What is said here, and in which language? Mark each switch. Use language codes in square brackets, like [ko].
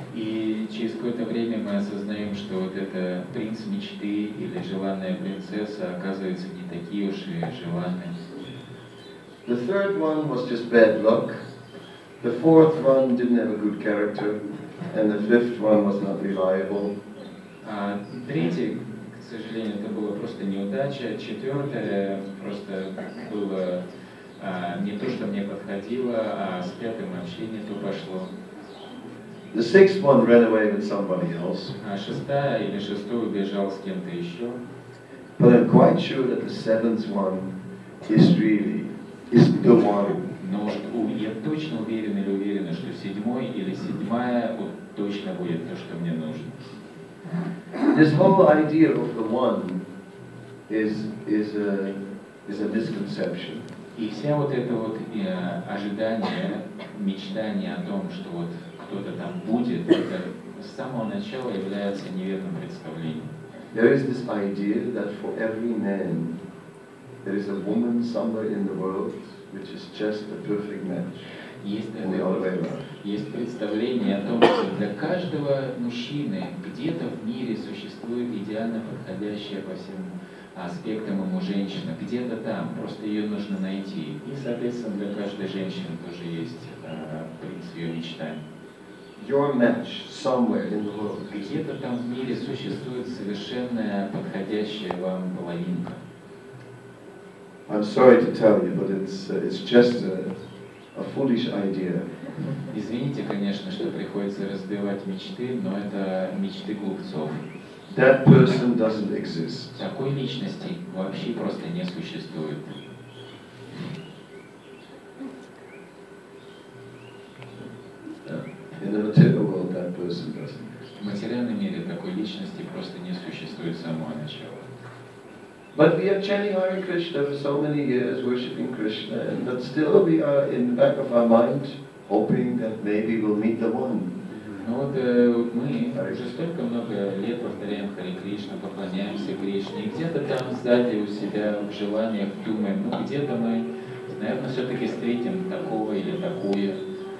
[ru] И через какое-то время мы осознаем, что вот это принц мечты или желанная принцесса оказывается не такие уж и желанные. [en] The third one was just bad luck. The fourth one didn't have a good character, and the fifth one was not reliable. [ru] А третий, к сожалению, это было просто неудача. Четвертое просто было не то, что мне подходило, а с пятым вообще не то пошло. [en] The sixth one ran away with somebody else. [ru] А шестая или шестой убежал с кем-то еще. [en] But I'm quite sure that the seventh one is the one. [ru] Но я точно уверен или уверена, что седьмой или седьмая вот точно будет то, что мне нужно. [en] This whole idea of the one is a misconception. [ru] И вся вот это вот ожидание, мечтание о том, что вот кто-то там будет, это с самого начала является неверным представлением. [en] There is this idea that for every man there is a woman somewhere in the world which is just a perfect match. [ru] Есть представление о том, что для каждого мужчины где-то в мире существует идеально подходящая по всем аспектам ему женщина. Где-то там, просто ее нужно найти. И, соответственно, для каждой женщины тоже есть принц ее мечтаний. Где-то там в мире существует совершенная подходящая вам половинка. [en] I'm sorry to tell you, but it's just a foolish idea. [ru] Извините, конечно, что приходится разбивать мечты, но это мечты глупцов. [en] That person doesn't exist. [ru] Такой личности вообще просто не существует. [en] In the material world, that person doesn't exist. [ru] В материальном мире такой личности просто не существует с самого начала. [en] But we are chanting Hare Krishna for so many years, worshipping Krishna, and but still we are in the back of our mind, hoping that maybe we'll meet the one. [ru] Ну вот мы уже столько много лет повторяем Hare Krishna, поклоняемся Кришне, и где-то там сзади у себя в желаниях думаем, ну где-то мы, наверное, все-таки встретим такого или такую.